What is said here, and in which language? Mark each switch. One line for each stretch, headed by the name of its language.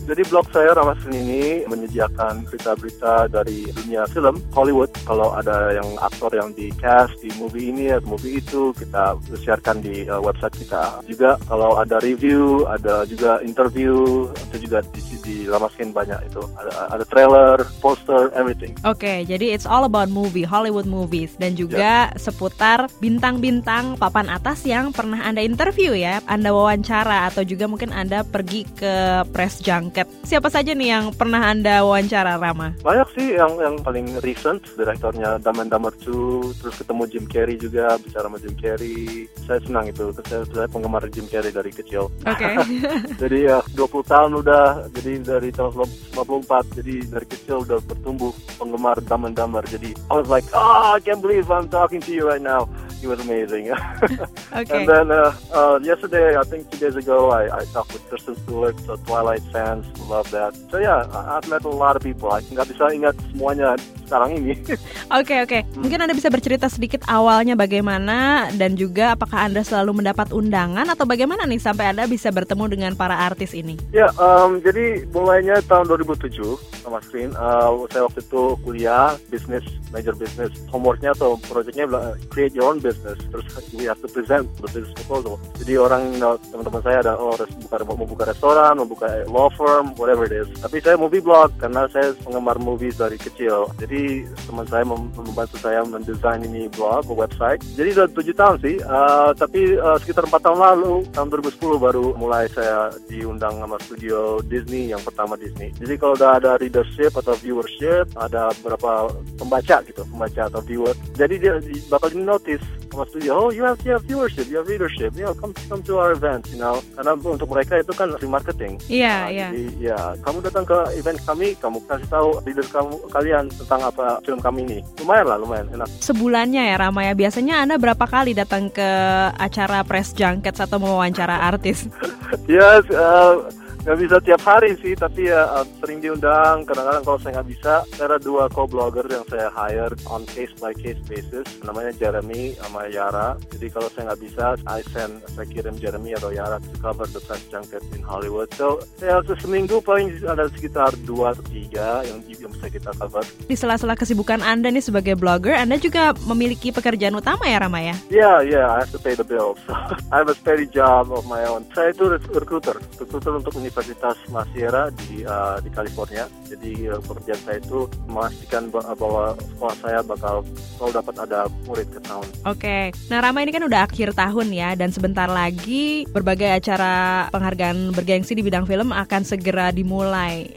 Indonesian: Jadi blog saya, Rama Screen ini, menyediakan berita-berita dari dunia film Hollywood. Kalau ada yang aktor yang di cast di movie ini atau movie itu, kita siarkan di website kita. Juga kalau ada review, ada juga interview, itu juga di Rama Screen banyak itu. Ada trailer, poster, everything. Okay, jadi
English: it's all about movie, Hollywood movies,
Indonesian: dan juga seputar bintang-bintang papan atas yang pernah Anda interview ya, Anda wawancara, atau juga mungkin Anda pergi ke press junket. Siapa saja nih yang pernah Anda wawancara, Rama? Banyak sih yang paling recent, direktornya Dumb and Dumber 2, terus ketemu Jim Carrey juga, bicara sama Jim Carrey. Saya senang itu, terus saya penggemar Jim Carrey dari kecil. Okay. Jadi ya 20 tahun udah, jadi dari tahun 1994, jadi dari kecil udah bertumbuh penggemar Dumb and Dumber. Jadi
English: I was like, oh, I can't believe I'm talking to you right now. he was amazing. Okay. And then yesterday, I think 2 days ago, I talked with Kristen Stewart, so Twilight fans love that. So yeah, I've met a lot of people.
Indonesian: I nggak bisa ingat semuanya sekarang ini. Okay. Mungkin Anda bisa bercerita sedikit awalnya bagaimana, dan juga apakah Anda selalu mendapat undangan atau bagaimana nih sampai Anda bisa bertemu dengan para artis ini? Jadi mulainya tahun 2007 sama Screen. Saya waktu itu kuliah bisnis, major bisnis. Homeworknya atau proyeknya
English: create your own business.
Indonesian: Terus
English: we have to present the business proposal.
Indonesian: Jadi orang, teman-teman saya ada, mau buka restoran, mau buka law firm,
English: whatever it is.
Indonesian: Tapi saya movie blog karena saya penggemar movies dari kecil. Jadi teman saya membantu saya mendesain ini blog, website. Jadi sudah 7 tahun sih. Sekitar 4 tahun lalu, tahun 2010 baru mulai saya diundang sama studio Disney, yang pertama Disney. Jadi kalau udah ada readership atau viewership, ada berapa pembaca gitu, pembaca atau viewer. Jadi dia bakal
English: notice sama studio, oh you have viewership, you have readership, you know, come to our event, you know.
Indonesian: Karena untuk mereka itu kan free marketing. Kamu datang ke event kami, kamu kasih tahu leader kamu, kalian tentang apa film kami ini. Lumayan enak. Sebulannya ya Ramaya, biasanya Anda berapa kali datang ke acara press junket atau mewawancara artis? Yes, nggak bisa tiap hari sih, tapi ya sering diundang. Kadang-kadang kalau saya nggak bisa, saya ada dua co-blogger yang saya hire
English: on case-by-case basis,
Indonesian: namanya Jeremy sama Yara. Jadi kalau saya nggak bisa, saya kirim Jeremy atau Yara
English: to cover the press junket in Hollywood.
Indonesian: So, ya seminggu paling ada sekitar 2-3 yang bisa kita cover. Di sela-sela kesibukan Anda nih sebagai blogger, Anda juga memiliki pekerjaan utama ya, Ramaya?
English: Yeah, I have to pay the bills. I have a steady job of my own.
Indonesian: Saya itu recruiter untuk Universitas La Sierra di California. Jadi pekerjaan saya itu memastikan bahwa sekolah saya bakal selalu dapat ada murid ke tahun. Okay. Nah Rama, ini kan udah akhir tahun ya, dan sebentar lagi berbagai acara penghargaan bergengsi di bidang film akan segera dimulai.